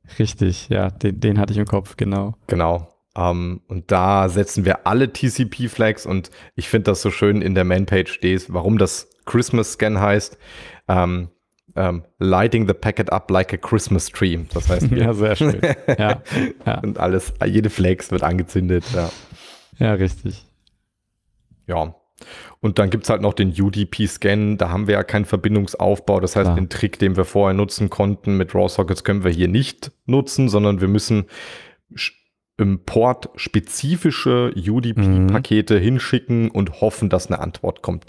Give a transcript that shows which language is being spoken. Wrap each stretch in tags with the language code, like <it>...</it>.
<de>Richtig, ja, den hatte ich im Kopf, genau. Genau. Und da setzen wir alle TCP-Flags und ich finde das so schön in der Manpage steht, warum das Christmas Scan heißt.</de> <en>Lighting the packet up like a Christmas tree.</en> <de>Das heißt, ja, sehr schön. Ja, ja. Und alles, jede Flags wird angezündet. Ja, ja, richtig. Ja. Und dann gibt es halt noch den UDP-Scan. Da haben wir ja keinen Verbindungsaufbau. Das heißt, den Trick, den wir vorher nutzen konnten mit RAW Sockets, können wir hier nicht nutzen, sondern wir müssen im Port spezifische UDP-Pakete hinschicken und hoffen, dass eine Antwort kommt.</de>